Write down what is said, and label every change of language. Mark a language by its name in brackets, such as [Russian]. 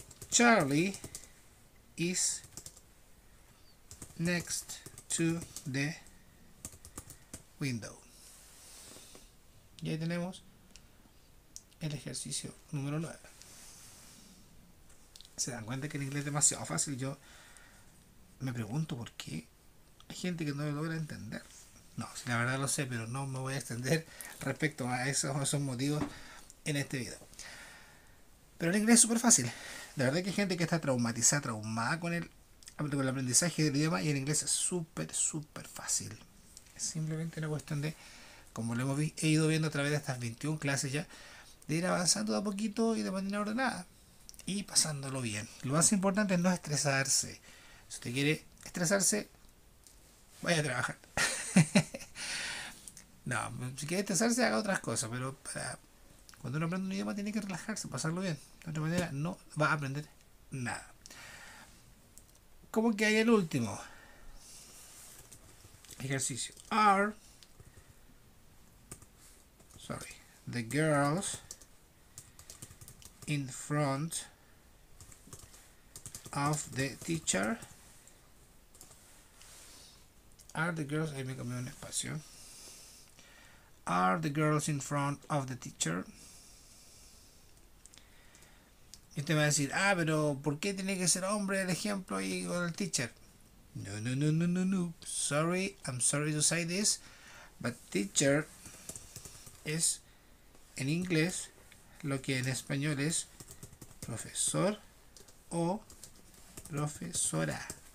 [English] Charlie is next to the window. [Spanish] Y ahí tenemos el ejercicio número 9. Se dan cuenta que el inglés es demasiado fácil. Yo me pregunto por qué hay gente que no lo logra entender. No, si la verdad lo sé, pero no me voy a extender respecto a esos motivos en este video. Pero el inglés es súper fácil. La verdad es que hay gente que está traumatizada, traumada con el aprendizaje del idioma, y el inglés es súper, súper fácil. Es simplemente una cuestión de, como lo hemos he ido viendo a través de estas 21 clases ya, de ir avanzando de a poquito y de manera ordenada. Y pasándolo bien. Lo más importante es no estresarse. Si usted quiere estresarse, vaya a trabajar. No, si quiere estresarse, haga otras cosas, pero para cuando uno aprende un idioma tiene que relajarse, pasarlo bien. De otra manera, no va a aprender nada. ¿Cómo que hay el último ejercicio? [English] Are, sorry, the girls in front of the teacher? Are the girls, [Spanish] ahí me comí un espacio. [English] Are the girls in front of the teacher? [Spanish] Y usted me va a decir, ah, pero ¿por qué tiene que ser hombre el ejemplo y con el teacher? No, no, no, no, no, no. [English] Sorry, I'm sorry to say this, but [Spanish] teacher es en inglés lo que en español es profesor o profesora.